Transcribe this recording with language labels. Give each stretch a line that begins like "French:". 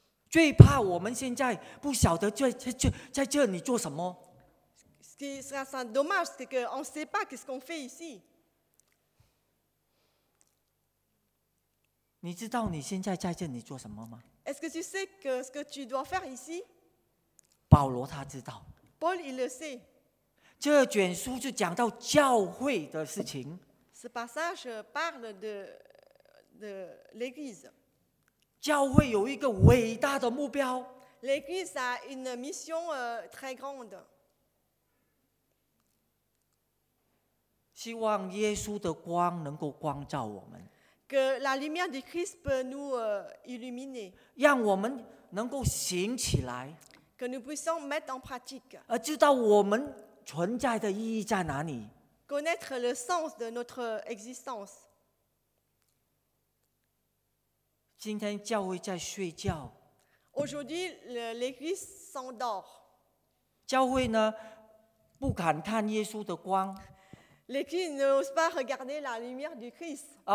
Chinese: 最怕我们现在不晓得在这里做什么。
French: Ce qui serait un dommage, c'est qu'on ne sait pas ce qu'on fait ici.
Chinese: 你知道你现在在这里做什么吗？
French: Est-ce que tu sais que ce que tu dois faire ici?
Chinese: 保罗他知道。
French: Paul, il le sait.
Chinese: 这卷书就讲到教会的事情。
French: Ce passage parle de l'église.
Chinese: 教会有一个伟大的目标。
French: L'église a une mission très grande.
Chinese: 希望耶稣的光能够光照我们。
French: Que la lumière de Christ peut nous illuminer.
Chinese: 让我们能够行起来。
French: Que nous puissions mettre en pratique.
Chinese: 而知道我们存在的意义在哪里。
French: Connaître le sens de notre existence.
Chinese: 今天教会在睡觉。
French: Aujourd'hui, l'église s'endort.
Chinese: 教会呢，不敢看耶稣的光。
French: L'Église n'ose pas regarder la lumière du Christ.